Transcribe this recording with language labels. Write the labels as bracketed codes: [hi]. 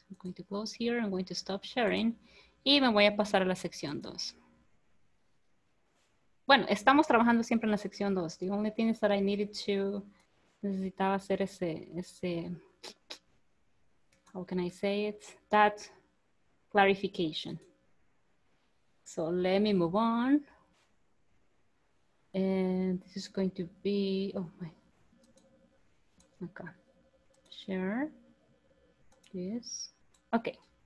[en] I'm going to close here, I'm going to stop sharing. [es] Y me voy a pasar a la sección 2. Bueno, estamos trabajando siempre en la sección 2. [en] The only thing is that I needed to... [es] Necesitaba hacer ese... [en] How can I say it? That clarification. So let me move on. And this is going to be... Oh my. Okay. Share. Yes. Okay.